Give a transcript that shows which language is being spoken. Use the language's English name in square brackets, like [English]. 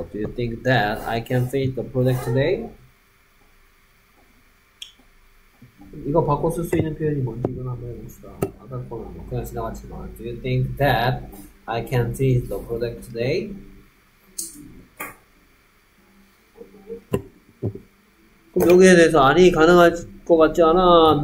[English] Do you think that I can finish the project today? [Korean] 이거 바꿔 쓸 수 있는 표현이 뭔지 이건 한번 해봅시다. 아까 거는 뭐 그냥 지나갔지만. [English] Do you think that I can finish the project today? [Korean] 그럼 여기에 대해서 아니 가능할 것 같지 않아?